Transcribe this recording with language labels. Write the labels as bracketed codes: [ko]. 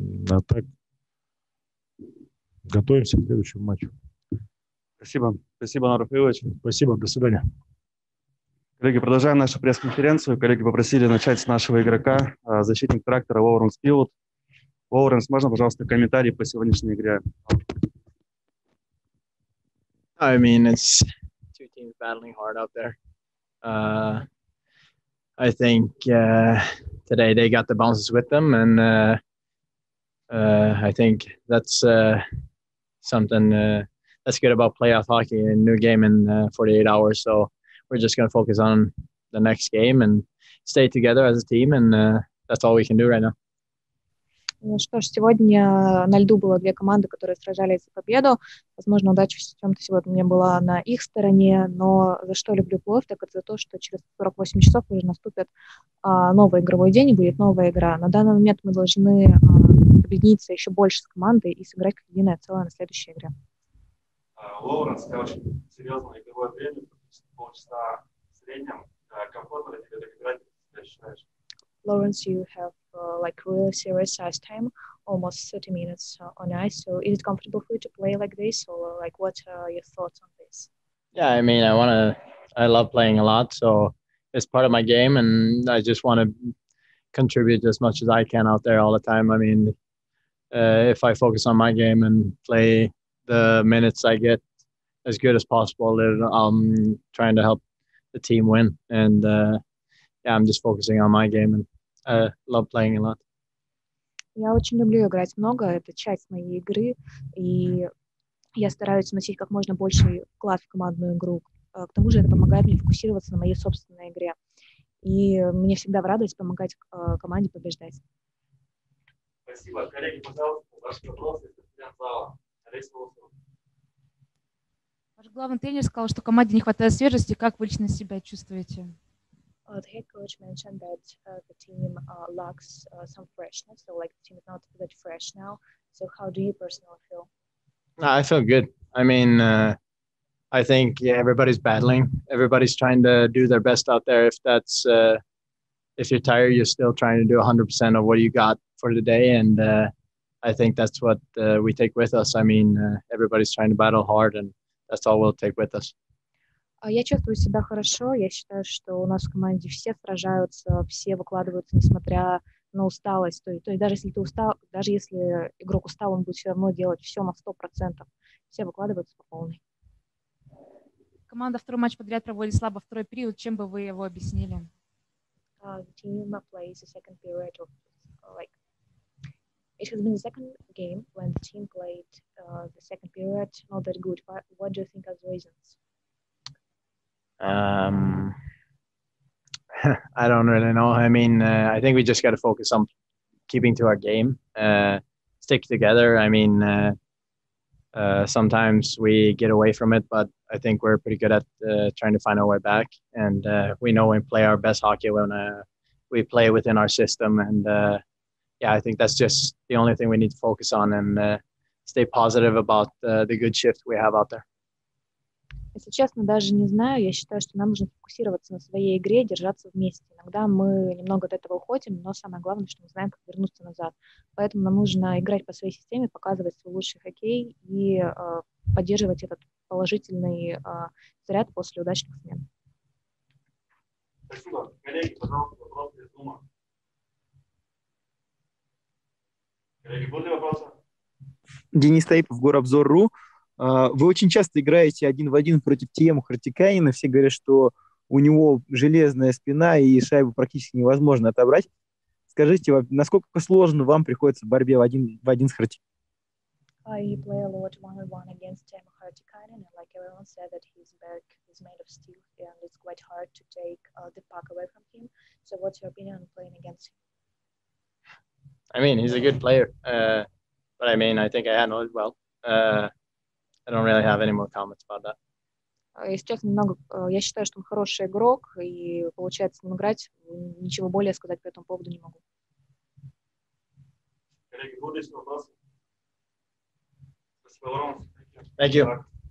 [ru] А так готовимся к следующему матчу. Спасибо. Спасибо, Анвар Рафаилович. Спасибо. До свидания. Коллеги, продолжаем нашу пресс-конференцию. Коллеги попросили начать с нашего игрока, защитник трактора Лоуренс Пилот. Лоуренс, можно, пожалуйста, комментарий по сегодняшней игре? [en] I mean, it's two teams battling hard out there. I think today they got the bounces with them, and I think that's something that's good about playoff hockey, a new game in 48 hours. So we're just going to focus on the next game and stay together as a team, and that's all we can do right now. [ru] Что ж, сегодня на льду было две команды, которые сражались за победу. Возможно, удача в чем-то сегодня была на их стороне, но за что люблю плов, так это за то, что через 48 часов уже наступит новый игровой день и будет новая игра. На данный момент мы должны объединиться еще больше с командой и сыграть как единое целое на следующей игре. Лоуренс, ты очень серьезное игровое время, полчаса в среднем. Комфортно тебе так играть, ты считаешь? [en] Lawrence, you have like real serious ice time, almost 30 minutes on ice. So is it comfortable for you to play like this, or like what are your thoughts on this? Yeah, I mean, I love playing a lot, so it's part of my game, and I just want to contribute as much as I can out there all the time. I mean, if I focus on my game and play the minutes I get as good as possible, then I'm trying to help the team win, and yeah, I'm just focusing on my game and love playing a lot. [ru] Я очень люблю играть много, это часть моей игры, и я стараюсь вносить как можно больше вклад в командную игру. К тому же это помогает мне фокусироваться на моей собственной игре. И мне всегда в радость помогать команде побеждать. Спасибо. Коллеги, пожалуйста, ваши вопросы из конференц-зала. Ваш главный тренер сказал, что команде не хватает свежести. Как вы лично себя чувствуете? [en] The head coach mentioned that the team lacks some freshness, so like the team is not that fresh now. So how do you personally feel? I feel good. I mean, I think everybody's battling. Everybody's trying to do their best out there. If that's if you're tired, you're still trying to do 100% of what you got for the day. And I think that's what we take with us. I mean, everybody's trying to battle hard, and that's all we'll take with us. [ru] Я чувствую себя хорошо. Я считаю, что у нас в команде все сражаются, все выкладываются, несмотря на усталость. То есть даже если ты устал, даже если игрок устал, он будет все равно делать все на 100%. Все выкладываются по полной. Команда второй матч подряд проводит слабо второй период. Чем бы вы его объяснили? [en] Team plays the second period of like it has been the second game when the team played the second period not that good. What do you think are the reasons? I don't really know. I mean, I think we just got to focus on keeping to our game, stick together. I mean, sometimes we get away from it, but I think we're pretty good at trying to find our way back. And we know we play our best hockey when we play within our system. And yeah, I think that's just the only thing we need to focus on and stay positive about the good shift we have out there. [ru] Если честно, даже не знаю. Я считаю, что нам нужно фокусироваться на своей игре и держаться вместе. Иногда мы немного от этого уходим, но самое главное, что мы знаем, как вернуться назад. Поэтому нам нужно играть по своей системе, показывать свой лучший хоккей и поддерживать этот положительный заряд после удачных смен. Спасибо. Коллеги, пожалуйста, вопросы из Zoom. Коллеги, были вопросы? Денис Таипов, Горобзор.ру. Вы очень часто играете один в один против Тиему Хартикайнена. Все говорят, что у него железная спина и шайбу практически невозможно отобрать. Скажите, насколько сложно вам приходится в борьбе в один с [en] Хартикайненом? I play a lot one-on-one against Tiemu Hartikainen. Like everyone said, that his back is made of steel and it's quite hard to take the puck away from him. So what's your opinion on playing against him? I mean, he's a good player. But I mean, I think I handled it well. I don't really have any more comments about that. [ru] Если честно, немного, я считаю, что он хороший игрок, и получается с ним играть. Ничего более сказать по этому поводу не могу. Коллеги, будут еще вопросы? Спасибо, Лоуренс. [en] Thank you.